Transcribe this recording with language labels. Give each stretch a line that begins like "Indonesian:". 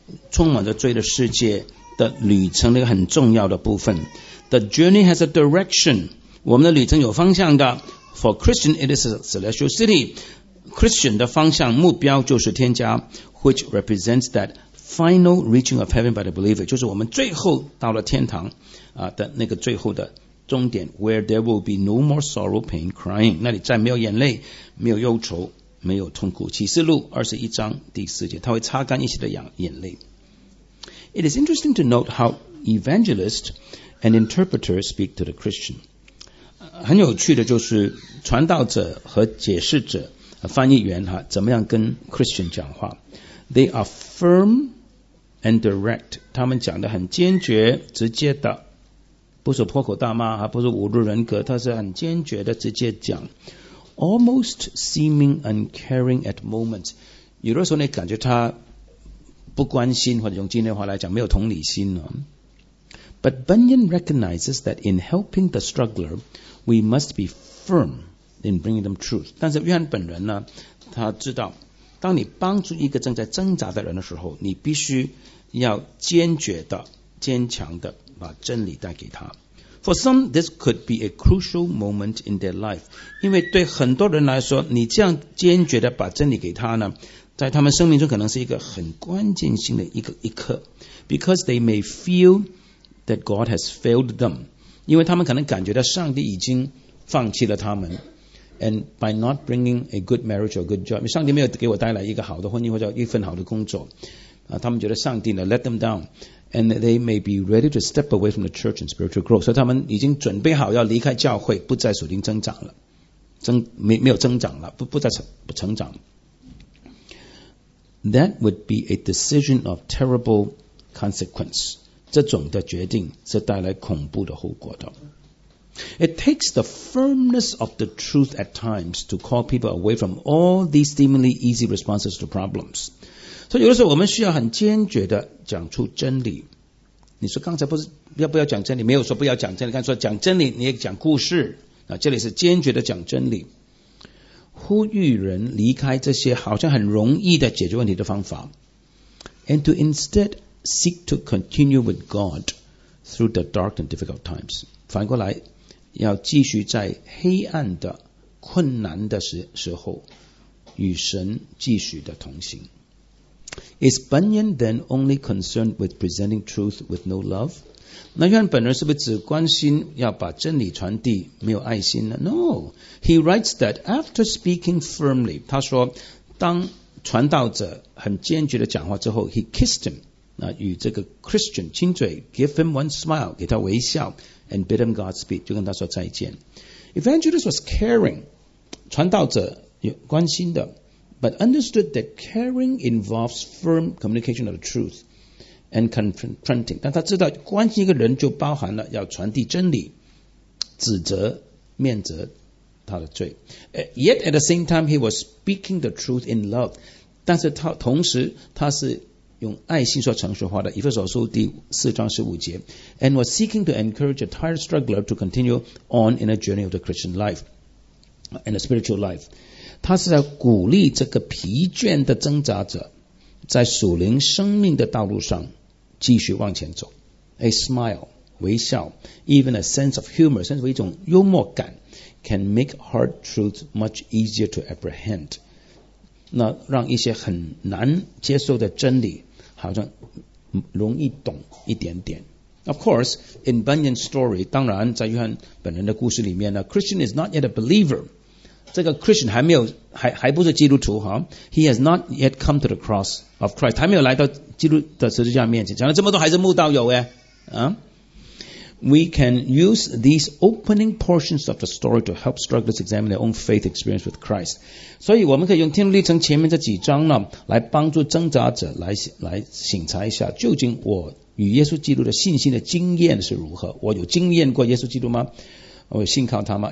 Chinese: 充满着罪的世界的旅程的一个很重要的部分
English: The journey has a direction
Chinese: 我们的旅程有方向的
English: For Christian it is a celestial city
Chinese: Christian 的方向目标就是天家
English: Which represents thatfinal reaching of heaven by the believer
Chinese: 就是我们最后到了天堂、的那个最后的终点
English: where there will be no more sorrow, pain, crying
Chinese: 那里再没有眼泪没有忧愁没有痛苦启示录21章第四节他会擦干一切的眼泪
English: It is interesting to note how evangelist and interpreter speak to the Christian.
Chinese: 很有趣的就是传道者和解释者翻译员怎么样跟 Christian 讲话。
English: They are firm and direct.
Chinese: 他们讲得很坚决直接的。不是破口大骂不是侮辱人格他是很坚决的直接讲。
English: Almost seeming uncaring at moments.
Chinese: 有的时候你感觉他不关心或者用今天的话来讲没有同理心了。
English: But Bunyan recognizes that in helping the struggler, we must be firm in bringing them truth.
Chinese: 但是约翰本人呢他知道当你帮助一个正在挣扎的人的时候你必须要坚决的坚强的把真理带给他。
English: For some, this could be a crucial moment in their life.
Chinese: 因为对很多人来说你这样坚决的把真理给他呢在他们生命中可能是一个很关键性的一刻。
English: Because they may feel that God has failed them.
Chinese: 因为他们可能感觉到上帝已经放弃了他们。
English: And by not bringing a good marriage or good job,
Chinese: 上帝没有给我带来一个好的婚姻或者一份好的工作。他们觉得上帝呢
English: let them down. And they may be ready to step away from the church and spiritual growth.
Chinese: 所以他们已经准备好要离开教会不再属灵增长了。没有增长了 不再成长。
English: That would be a decision of terrible consequence.
Chinese: 这种的决定是带来恐怖的后果的。
English: It takes the firmness of the truth at times to call people away from all these seemingly easy responses to problems.
Chinese: 所以有的时候我们需要很坚决的讲出真理。你说刚才不是要不要讲真理？没有说不要讲真理，刚才说讲真理你也讲故事。这里是坚决的讲真理。呼吁人离开这些好像很容易的解决问题的方法
English: and to instead seek to continue with God through the dark and difficult times
Chinese: 反过来要继续在黑暗的困难的时候与神继续的同行
English: Is Bunyan then only concerned with presenting truth with no love?
Chinese: 那约翰本人是不是只关心要把真理传递没有爱心呢
English: No He writes that after speaking firmly
Chinese: 他说当传道者很坚决的讲话之后
English: He kissed him
Chinese: 与这个 Christian 亲嘴
English: Give him one smile
Chinese: 给他微笑
English: And bid him Godspeed
Chinese: 就跟他说再见
English: Evangelist was caring
Chinese: 传道者关心的
English: But understood that caring involves firm communication of the truthand confronting
Chinese: 但他知道关心一个人就包含了要传递真理指责面责他的罪
English: Yet at the same time he was speaking the truth in love
Chinese: 但是他同时他是用爱心说诚实话的以弗所书第四章十五节
English: and was seeking to encourage a tired struggler to continue on in a journey of the Christian life and a spiritual life
Chinese: 他是在鼓励这个疲倦的挣扎者在属灵生命的道路上继续往前走
English: A smile
Chinese: 微笑
English: Even a sense of humor
Chinese: 甚至一种幽默感
English: Can make hard truths much easier to apprehend
Chinese: 那让一些很难接受的真理好像容易懂一点点
English: Of course in Bunyan's story
Chinese: 当然在约翰本人的故事里面呢
English: Christian is not yet a believer
Chinese: 这个 Christian 还不是基督徒
English: He has not yet come to the cross of Christ
Chinese: 还没有来到基督的十字架面前讲了这么多还是慕道友、
English: We can use these opening portions of the story to help strugglers examine their own faith experience with Christ
Chinese: 所以我们可以用天路历程前面这几章呢来帮助挣扎者 来省察一下究竟我与耶稣基督的信心的经验是如何我有经验过耶稣基督吗我有信靠他吗